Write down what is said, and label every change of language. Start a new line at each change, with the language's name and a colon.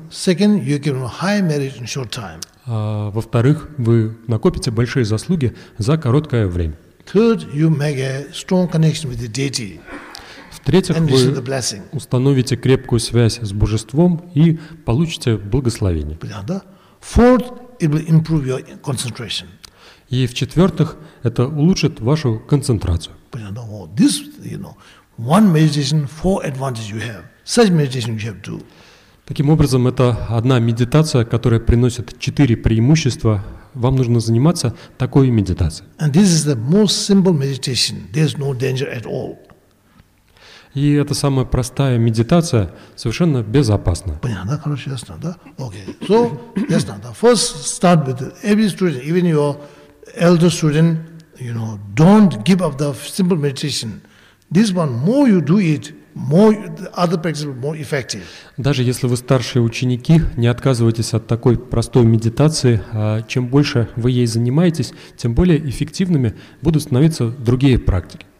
English: Second, you can have high merit in short time.
Russian: Во-вторых, вы накопите большие заслуги за короткое время.
English: Third, you make a strong connection with the deity.
Russian: В-третьих, вы установите крепкую связь с Божеством и получите благословение.
English: Fourth, it will improve your concentration.
Russian: И в-четвертых, это улучшит вашу концентрацию.
English: This, you know, one meditation, four advantages you have. Such meditation you have to.
Russian: Таким образом, это одна медитация, которая приносит четыре преимущества. Вам нужно заниматься такой медитацией.
English: And this is the most simple meditation. There's no danger at all.
Russian: И это самая простая медитация, совершенно безопасна. Понятно, да? Хорошо, ясно, да?
English: Okay. So,
Russian: ясно, да.
English: First, start with every student, even your elder student, you know, don't give up the simple meditation. This one, more you do it, more other practices more effective.
Russian: Даже если вы старшие ученики, не отказывайтесь от такой простой медитации. Чем больше вы ей занимаетесь, тем более эффективными будут становиться другие практики.